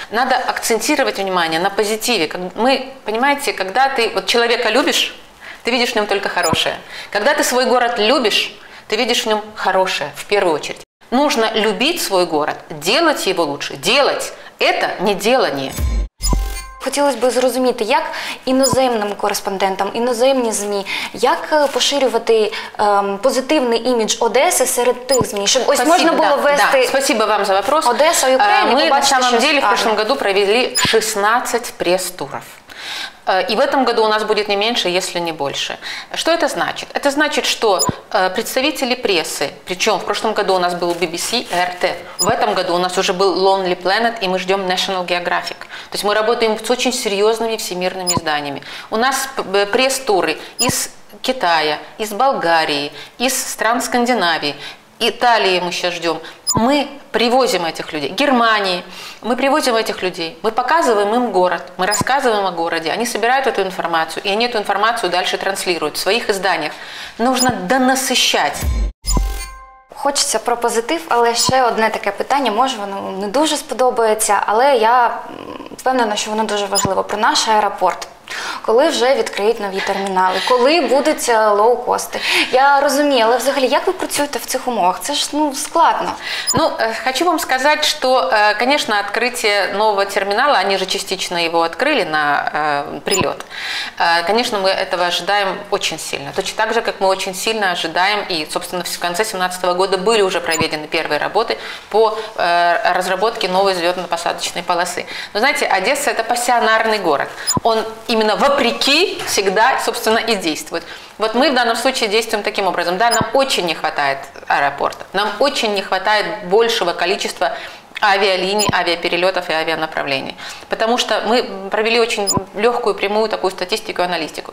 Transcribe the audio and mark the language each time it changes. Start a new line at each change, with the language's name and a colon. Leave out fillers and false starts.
Russian: Надо акцентировать внимание на позитиве. Мы, понимаете, когда ты вот человека любишь, ты видишь в нем только хорошее. Когда ты свой город любишь, ты видишь в нем хорошее, в первую очередь. Нужно любить свой город, делать его лучше. Делать – это не делание.
Ukrainian: Хотілося б зрозуміти, як іноземним кореспондентам, іноземні ЗМІ, як поширювати позитивний імідж Одеси серед тих ЗМІ, щоб ось можна було вести.
Russian: Спасибо вам за вопрос.
Ukrainian: Одеса і Україна.
Russian: Ми на самом деле в прошлом году провели 16 прес-туров. И в этом году у нас будет не меньше, если не больше. Что это значит? Это значит, что представители прессы, причем в прошлом году у нас был BBC, RT, в этом году у нас уже был Lonely Planet, и мы ждем National Geographic. То есть мы работаем с очень серьезными всемирными изданиями. У нас пресс-туры из Китая, из Болгарии, из стран Скандинавии, Италии мы сейчас ждем. Мы привозим этих людей, Германии, мы привозим этих людей, мы показываем им город, мы рассказываем о городе, они собирают эту информацию, и они эту информацию дальше транслируют в своих изданиях. Нужно донасыщать.
Ukrainian: Хочеться про позитив, але ще одне таке питання, може воно не дуже сподобається, але я впевнена, що воно дуже важливо, про наш аеропорт. Коли вже відкриють нові термінали? Коли будуть лоукости? Я розумію, але взагалі, як ви працюєте в цих умовах? Це ж складно. Ну, хочу вам сказати, що, звісно, відкриття нового терміналу, вони ж
Russian: частично
Ukrainian: його відкрили на прильот. Звісно, ми цього чекаємо дуже сильно.
Russian: Точно так же,
Ukrainian: як ми дуже сильно чекаємо, і,
Russian: собственно,
Ukrainian: в кінці 2017 року були вже проведені перші роботи по розробці нової зльотно-посадочної полоси. Ну, знаєте, Одеса – це пасіонарний город.
Russian: Він именно вопреки всегда, собственно, и действует. Вот мы в данном случае действуем таким образом. Да, нам очень не хватает аэропорта, нам очень не хватает большего количества авиалиний, авиаперелетов и авианаправлений. Потому что мы провели очень легкую прямую такую статистику и аналитику.